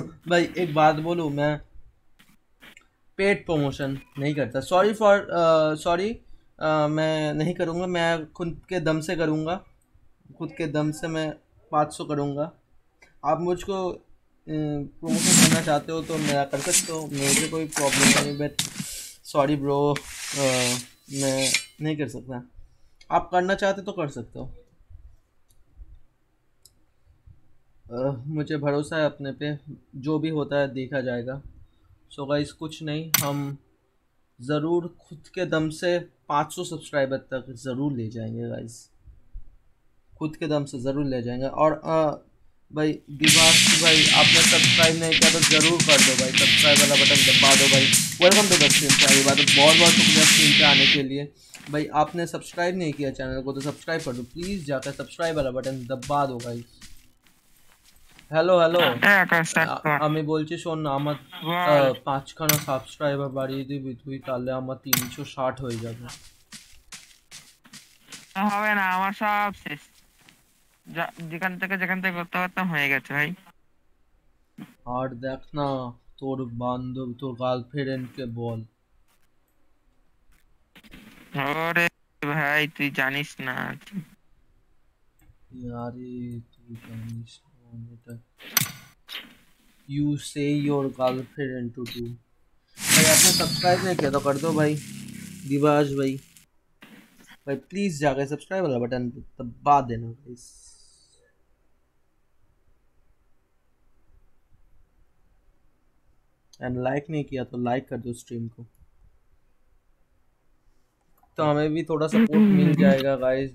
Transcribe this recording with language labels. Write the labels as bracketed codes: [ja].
[hi] ভাই এক বাত বলো, মে पेड प्रमोशन नहीं करता। सॉरी फॉर सॉरी, मैं नहीं करूँगा, मैं खुद के दम से करूँगा। खुद के दम से मैं 500 करूँगा। आप मुझको प्रमोशन करना चाहते हो तो मेरा कर सकते हो, मुझे कोई प्रॉब्लम नहीं। बट सॉरी ब्रो, मैं नहीं कर सकता। आप करना चाहते तो कर सकते हो, मुझे भरोसा है अपने पे, जो भी होता है देखा जाएगा। सो गाइस कुछ नहीं, हम ज़रूर खुद के दम से 500 सब्सक्राइबर तक ज़रूर ले जाएंगे गाइस, खुद के दम से ज़रूर ले जाएंगे। और भाई दिवास भाई, आपने सब्सक्राइब नहीं किया तो ज़रूर कर दो भाई, सब्सक्राइब वाला बटन दबा दो भाई। वेलकम टू द स्ट्रीम भाई, बहुत बहुत शुक्रिया स्ट्रीम पे आने के लिए। भाई आपने सब्सक्राइब नहीं किया चैनल को तो सब्सक्राइब कर दो प्लीज़, जाकर सब्सक्राइब वाला बटन दबा दो गाइस। [bn] হ্যালো হ্যালো, আমি বলছি শোন, আমার 5খানা সাবস্ক্রাইবার বাড়িয়ে দিবি তুই তাহলে আমার 360 হয়ে যাবে। হবে না, আমার সব শেষ, যেখান থেকে করতে পারতাম হয়ে গেছে ভাই। আর দেখ না তোর বান্ধব তোর গার্লফ্রেন্ড কে বল। আরে ভাই তুই জানিস না, আরে তুই জানিস না [en] You say your girlfriend to do. [hi] भाई आपने सब्सक्राइब नहीं किया तो कर दो भाई, दिवाज भाई भाई प्लीज जाके सब्सक्राइब वाला बटन दबा देना भाई। एंड लाइक नहीं किया तो लाइक कर दो स्ट्रीम को, तो हमें भी थोड़ा सपोर्ट मिल जाएगा गाइस।